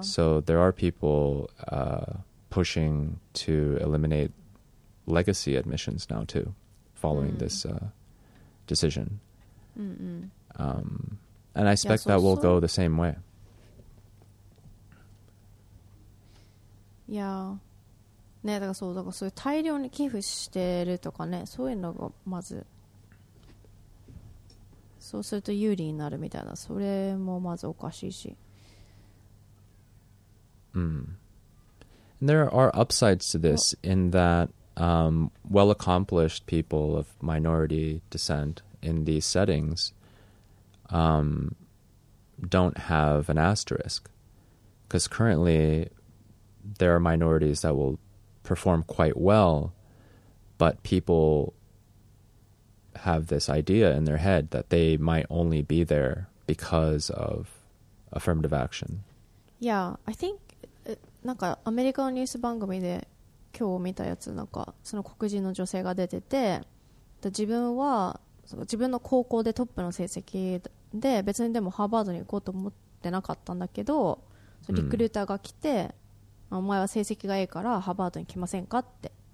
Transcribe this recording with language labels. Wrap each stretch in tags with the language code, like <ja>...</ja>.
<en>So there are people pushing to eliminate legacy admissions now, too, following this decision. And I expect that will go the same way. Yeah.</en> <ja>ね、だからそう、だからそういう大量に寄付してるとかね、そういうのがまず、そうすると有利になるみたいな、それもまずおかしいし。</ja> <en>And there are upsides to this in that well-accomplished people of minority descent in these settings don't have an asterisk. Because currently, there are minorities that will perform quite well, but people have this idea in their head that they might only be there because of affirmative action. Yeah, I think</en> <ja>なんかアメリカのニュース番組で今日見たやつ、なんかその黒人の女性が出てて、自分は自分の高校でトップの成績で、別にでもハーバードに行こうと思ってなかったんだけど、リクルーターが来て、お前は成績がいいからハーバードに来ませんかって、</ja>